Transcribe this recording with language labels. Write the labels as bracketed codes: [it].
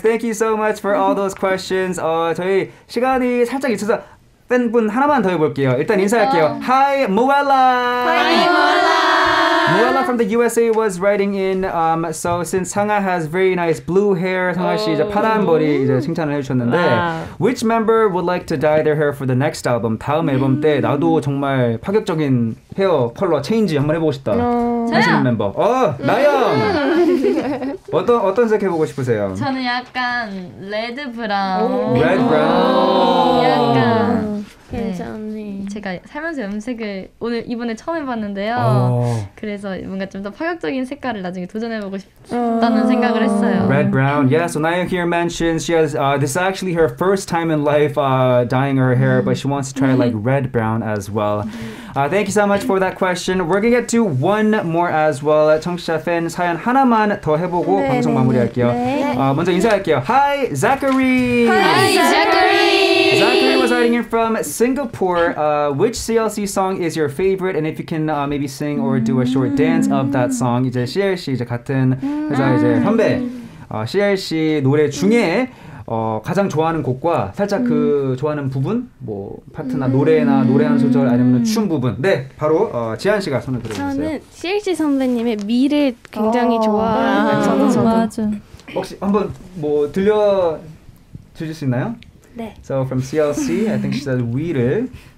[en] Thank you so much for all those questions. [ko] 저희 시간이 살짝 있어서 팬분 하나만 더 해볼게요. 일단 인사할게요. [en] Hi, Moella. Hi, Moella. Moella from the USA was writing in. So since Sangha has very nice blue hair, [ko] Sangha 씨 이제 파란 머리 이제 칭찬을 해주셨는데, [en] wow. Which member would like to dye their hair for the next album? [ko] 다음 앨범 때 나도 정말 파격적인 헤어 컬러 체인지 한번 해보고 싶다. 저요. 멤버. 나영. 어떤 색 해보고 싶으세요? 저는 약간 레드 브라운. 레드 브라운. 약간. 괜찮네. 제가 살면서 염색을 오늘 이번에 처음 해봤는데요. 그래서 뭔가 좀 더 파격적인 색깔을 나중에 도전해보고 싶다는 생각을 했어요. [en] Red brown. Yeah. So Naya here mentions she has this is actually her first time in life dyeing her hair, but she wants to try like red brown as well. Thank you so much for that question. We're gonna get to one more as well. [ko] 청취자 팬 사연 하나만 더 해보고 네, 방송 네, 마무리할게요. 네. 먼저 인사할게요. [en] Hi, Zachary. Hi, Zachary. Zachary was writing in from Singapore. Which CLC song is your favorite? And if you can maybe sing or do a short dance of that song. [ko] 이제 CLC 이제 같은 회사 이제 선배 CLC 노래 중에 가장 좋아하는 곡과 살짝 그 좋아하는 부분 뭐 파트나 노래나 노래한 소절 아니면 춤 부분 네 바로 지한 씨가 손을 들어주세요. 저는 CLC 선배님의 미를 굉장히 좋아해요. 저도 좋아하죠. 혹시 한번 뭐 들려 주실 수 있나요? 네. [en] So from CLC, I think she said 위를